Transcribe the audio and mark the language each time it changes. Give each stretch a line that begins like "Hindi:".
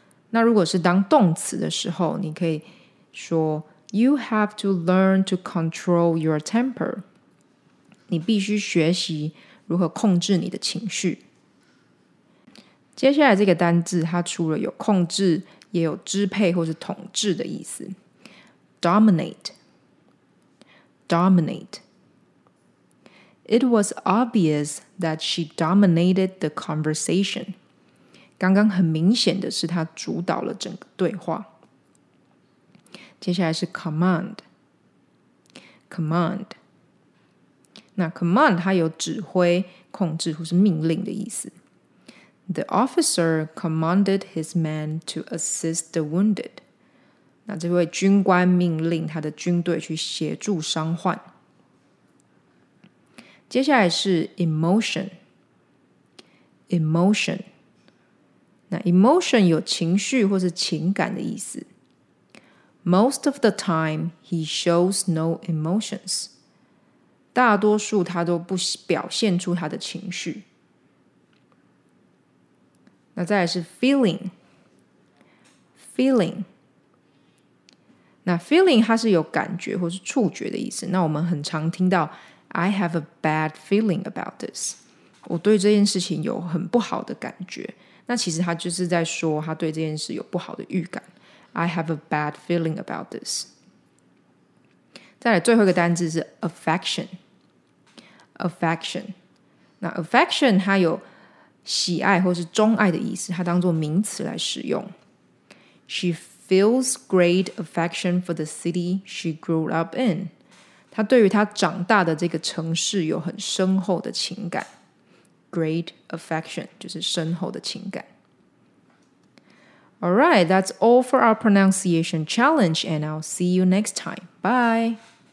Chinese: 那如果是当动词的时候，你可以说
English: You have to learn to control your temper.
Chinese: 你必须学习如何控制你的情绪。接下来这个单字，它除了有控制，也有支配或是统治的意思。
English: Dominate. It was obvious that she dominated the conversation.
Chinese: 刚刚很明显的是她主导了整个对话。接下来是 command， command， 那 command 它有指挥、控制或是命令的意思。
English: The officer commanded his men to assist the wounded。
Chinese: 那这位军官命令他的军队去协助伤患。接下来是 emotion， emotion， 那 emotion 有情绪或是情感的意思。
English: Most of the time, he shows no emotions.
Chinese: 大多数他都不表现出他的情绪。那再来是 feeling， feeling， 那 feeling 它是有感觉或是触觉的意思。那我们很常听到
English: I have a bad feeling about this，
Chinese: 我对这件事情有很不好的感觉。那其实他就是在说他对这件事有不好的预感。
English: I have a bad feeling about this。
Chinese: 再来最后一个单字是 affection， affection， 那 affection 它有喜爱或是钟爱的意思，它当作名词来使用。
English: She feels great affection for the city she grew up in。
Chinese: 她对于她长大的这个城市有很深厚的情感。 Great affection 就是深厚的情感。
English: Alright, that's all for our pronunciation challenge, and I'll see you next time. Bye!